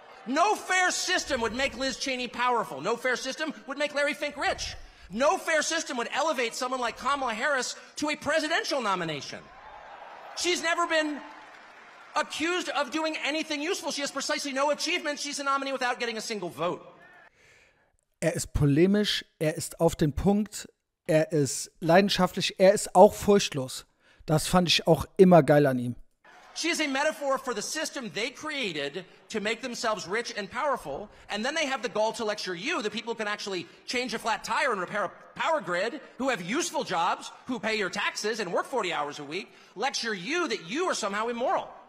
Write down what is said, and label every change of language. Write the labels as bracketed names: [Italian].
[English] No fair system would make Liz Cheney powerful. No fair system would make Larry Fink rich. No fair system would elevate someone like Kamala Harris to a presidential nomination. She's never been accused of doing anything useful. She has precisely no achievements. She's a nominee without getting a single vote. [German] Er ist polemisch, er ist auf den Punkt, er ist leidenschaftlich, er ist auch furchtlos. Das fand ich auch immer geil an ihm. [English] She is a metaphor for the system they created to make themselves rich and powerful, and then they have the gall to lecture you, the people who can actually change a flat tire and repair a power grid, who have useful jobs, who pay your taxes and work 40 hours a week, lecture you that you are somehow immoral.